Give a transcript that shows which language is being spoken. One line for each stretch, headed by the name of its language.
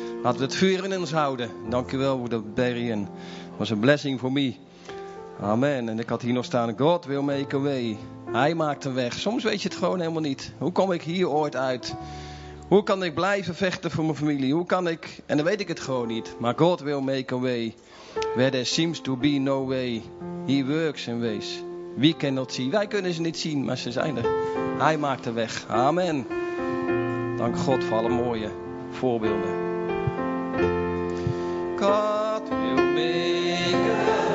Dutch: Laten we het vuur in ons houden. Dank u wel, broeder Barry. Het was een blessing voor mij. Amen. En ik had hier nog staan.
English: God will make a way.
Dutch: Hij maakt een weg. Soms weet je het gewoon helemaal niet. Hoe kom ik hier ooit uit? Hoe kan ik blijven vechten voor mijn familie? Hoe kan ik? En dan weet ik het gewoon niet. Maar
English: God will make a way. Where there seems to be no way. He works in ways.
Dutch: Wie kan dat zien? Wij kunnen ze niet zien, maar ze zijn er. Hij maakt de weg. Amen. Dank God voor alle mooie voorbeelden. God wil meekomen.